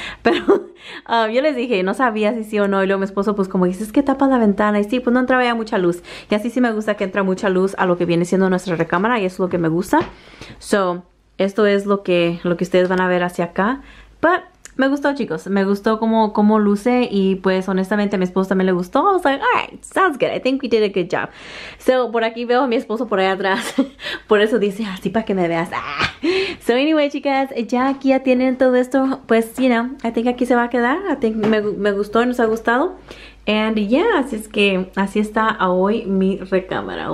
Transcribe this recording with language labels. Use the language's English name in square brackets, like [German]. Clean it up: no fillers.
[Spanish] Pero yo les dije, no sabía si sí o no. Y luego mi esposo, pues como dice, es que tapa la ventana. Y sí, pues no entraba ya mucha luz. Y así sí me gusta que entra mucha luz a lo que viene siendo nuestra recámara. Y eso es lo que me gusta. So, esto es lo que ustedes van a ver hacia acá. But, me gustó, chicos. Me gustó cómo luce. Y pues, honestamente, a mi esposo también le gustó. [English] I was like, alright, sounds good. I think we did a good job. [Spanish] So, por aquí veo a mi esposo por ahí atrás. Por eso dice, así para que me veas. So, anyway, chicas, ya aquí ya tienen todo esto. Pues, [English] you know, I think [Spanish] aquí se va a quedar. [English] I think [Spanish] me gustó y nos ha gustado. [English] And, yeah, [Spanish] así es que así está hoy mi recámara.